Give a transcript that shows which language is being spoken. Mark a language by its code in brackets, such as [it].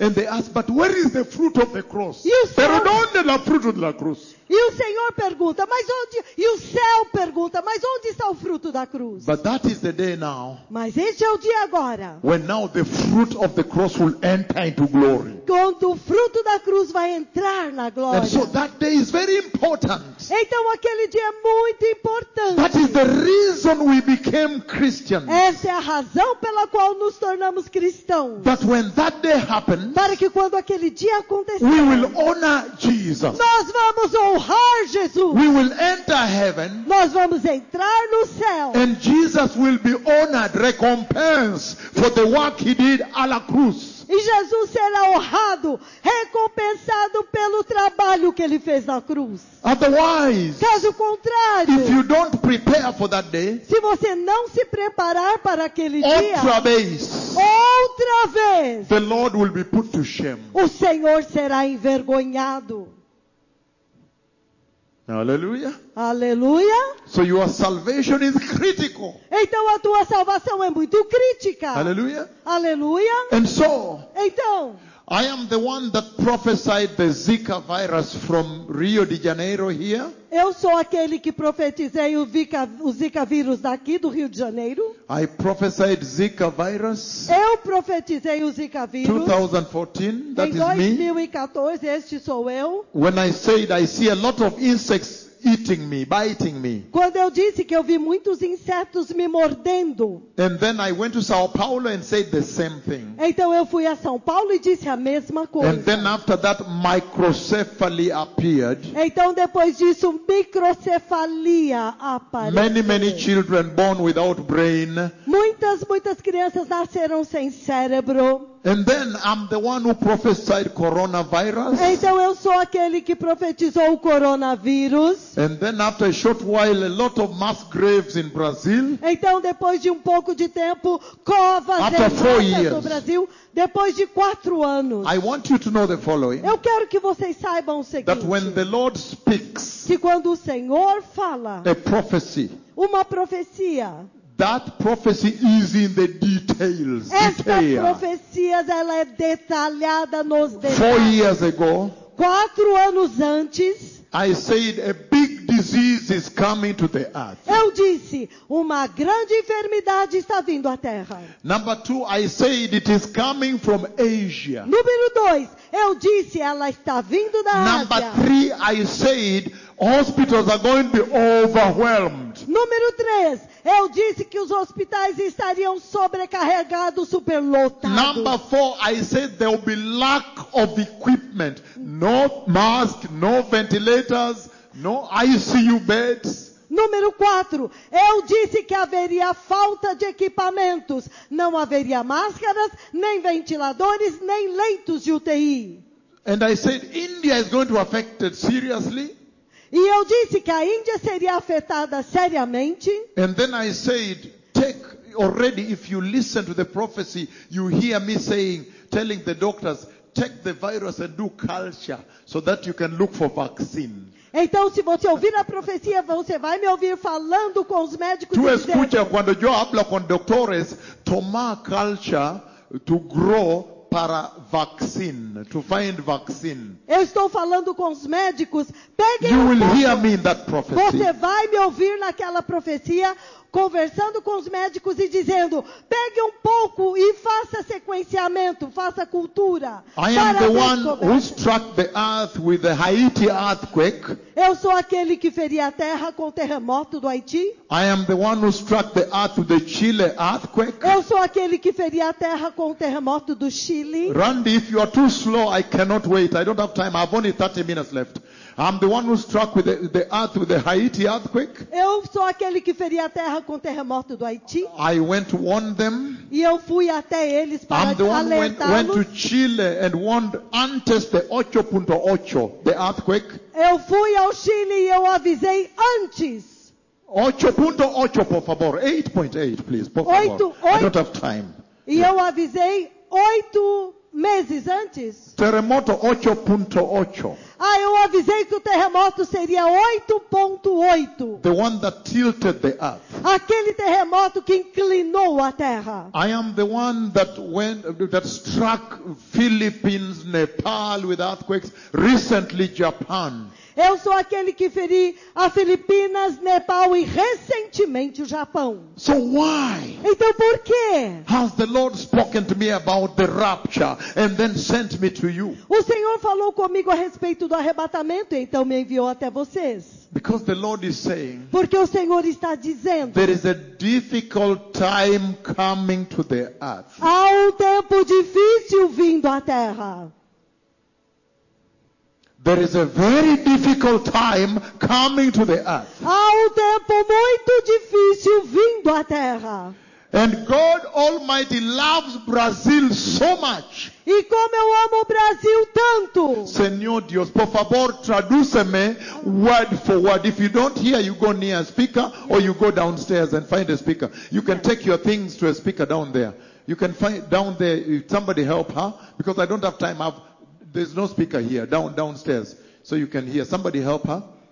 [en] And they asked, but where is the fruit of the cross? [pt] E o céu... Pero onde é o fruto da cruz? E o Senhor pergunta, mas onde? E o céu pergunta, mas onde está o fruto da cruz? [en] But that is the day now. [pt] Mas este é o dia agora. [en] When now the fruit of the cross will enter into glory. [pt] Quando o fruto da cruz vai entrar na glória. [en] And so that day is very important. [pt] Então aquele dia é muito importante. [en] That is the reason we became Christians. [pt] Essa é a razão pela qual nos tornamos cristãos. [en] That when that day happens. [pt] Para que quando aquele dia acontecer. [en] We will honor Jesus. [pt] Nós vamos honrar Jesus. [en] We will enter heaven. [pt] Nós vamos entrar no céu. [en] And Jesus will be honored, recompensed for the work he did [pt] à la cruz. E Jesus será honrado, recompensado pelo trabalho que ele fez na cruz. [en] Otherwise, [pt] caso contrário, [en] if you don't prepare for that day, [pt] se você não se preparar para aquele outra dia, vez, outra vez, [en] the Lord will be put to shame. [pt] O Senhor será envergonhado. Aleluia. Aleluia. [en] So your salvation is critical. [pt] Então a tua salvação é muito crítica. Aleluia. Aleluia. [en] And so, [pt] então, [en] I am the one that prophesied the Zika virus from Rio de Janeiro here. [pt] Eu sou aquele que profetizei o Zika vírus daqui do Rio de Janeiro. [en] I prophesied Zika virus. [pt] Eu profetizei o Zika vírus. [en] 2014, that is me. [pt] Em 2014, este sou eu. [en] When I said I see a lot of insects eating me, biting me. [pt] Quando eu disse que eu vi muitos insetos me mordendo. [en] And then I went to São Paulo and said the same thing. [pt] Então eu fui a São Paulo e disse a mesma coisa. [en] And then after that, microcephaly appeared. [pt] Então depois disso, microcefalia apareceu. [en] Many children born without brain. [pt] Muitas crianças nasceram sem cérebro. [en] And then I'm the one who prophesied coronavirus. [pt] Então eu sou aquele que profetizou o coronavírus. [en] And then after a short while, a lot of mass graves in Brazil. [pt] Então depois de um pouco de tempo, covas [en] after four years, [pt] no Brasil, depois de 4 anos. [en] I want you to know the following. [pt] Eu quero que vocês saibam o seguinte. [en] That when the Lord speaks, [pt] que quando o Senhor fala, [en] a prophecy, [pt] uma profecia. [en] That prophecy is in the details. [pt] Esta profecia ela é detalhada nos detalhes. [en] 4 years ago, [pt] 4 anos antes, [en] I said a big disease is coming to the earth. [pt] Eu disse, uma grande enfermidade está vindo à terra. [en] Number two, I said it is coming from Asia. [pt] Número 2, eu disse, ela está vindo da Ásia. [en] Number 3, I said hospitals are going to be overwhelmed. [pt] Número 3, eu disse que os hospitais estariam sobrecarregados, superlotados. [en] Number 4, I said there will be lack of equipment. No mask, no ventilators, no ICU beds. [pt] Número 4, eu disse que haveria falta de equipamentos. Não haveria máscaras, nem ventiladores, nem leitos de UTI. [en] And I said India is going to be affected seriously. [pt] E eu disse que a Índia seria afetada seriamente. [en] And then I said, take already if you listen to the prophecy, you hear me saying, telling the doctors, take the virus and do culture so that you can look for vaccine. [pt] Então se você ouvir a profecia, você vai me ouvir falando com os médicos. Tu escuta quando eu hablo com doctores, tomar [en] culture to grow [pt] para vaccine, [en] to find vaccine. [pt] Eu estou falando com os médicos. Peguem [en] you will hear me in that prophecy. [pt] Você vai me ouvir naquela profecia, conversando com os médicos e dizendo, pegue um pouco e faça sequenciamento, faça cultura. [en] I am the one who struck the earth with the Haiti earthquake. [pt] Eu sou aquele que feriu a terra com o terremoto do Haiti. [en] I am the one who struck the earth with the Chile earthquake. [pt] Eu sou aquele que feriu a terra com o terremoto do Chile. [en] Randy, if you are too slow, I cannot wait. I don't have time. I have only 30 minutes left. I'm the one who struck with the earth with the Haiti earthquake. [pt] Eu sou aquele que feri a terra com o terremoto do Haiti. [en] I went to warn them. [pt] E eu fui até eles para alertá-los. [en] I'm the one who went to Chile and warned [pt] antes [en] the 8.8, the earthquake. [pt] Eu fui ao Chile e eu avisei antes. 8.8, por favor. 8.8, [en] please, [pt] por favor. 8.8. [en] I don't have time. [pt] E eu avisei 8 meses antes. Terremoto 8.8. Ah, eu avisei que o terremoto seria 8.8. [en] The one that tilted the earth. [pt] Aquele terremoto que inclinou a terra. [en] I am the one that struck Philippines, Nepal with earthquakes, recently Japan. [pt] Eu sou aquele que feri as Filipinas, Nepal e recentemente o Japão. [en] So why? [pt] Então por quê? [en] Has the Lord spoken to me about the rapture and then sent me to you? [pt] O Senhor falou comigo a respeito do arrebatamento, então me enviou até vocês. [en] Because the Lord is saying. [pt] Porque o Senhor está dizendo. [en] There is a difficult time coming to the earth. [pt] Há um tempo difícil vindo à terra. [en] There is a very difficult time coming to the earth. [pt] Há um tempo muito difícil vindo à terra. [en] And God Almighty loves Brazil so much. [pt] E como eu amo o Brasil tanto. Senhor Deus, por favor, traduza-me [en] word for word. If you don't hear, you go near a speaker or you go downstairs and find a speaker. You can take your things to a speaker down there. You can find down there, somebody help her, because I don't have time. There's no speaker here, downstairs. So you can hear. Somebody help her.